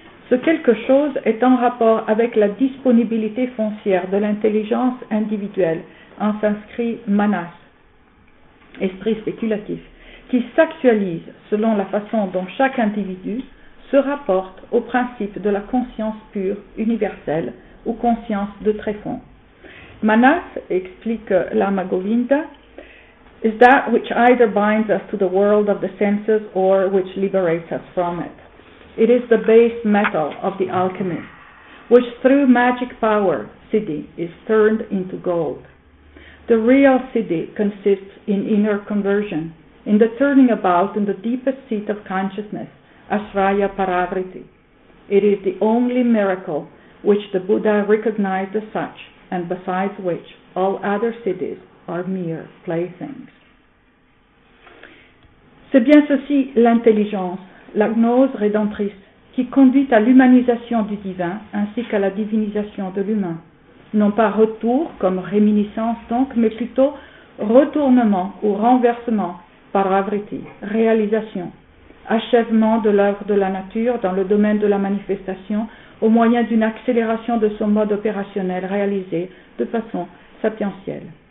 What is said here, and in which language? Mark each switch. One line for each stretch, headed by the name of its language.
French: Ce quelque chose est en rapport avec la disponibilité foncière de l'intelligence individuelle, en sanskrit manas, esprit spéculatif, qui s'actualise selon la façon dont chaque individu se rapporte au principe de la conscience pure, universelle ou conscience de tréfonds.
English: Manas,
French: explique
English: Lama Govinda, is that which either binds us to the world of the senses or which liberates us from it. It is the base metal of the alchemist, which through magic power, siddhi, is turned into gold. The real siddhi consists in inner conversion, in the turning about in the deepest seat of consciousness, asraya paravriti. It is the only miracle which the Buddha recognized as such, and besides which all other siddhis are mere playthings.
French: C'est bien ceci l'intelligence, la gnose rédemptrice, qui conduit à l'humanisation du divin ainsi qu'à la divinisation de l'humain. Non pas retour comme réminiscence donc, mais plutôt retournement ou renversement, paravriti, réalisation, achèvement de l'œuvre de la nature dans le domaine de la manifestation au moyen d'une accélération de son mode opérationnel réalisé de façon sapientielle.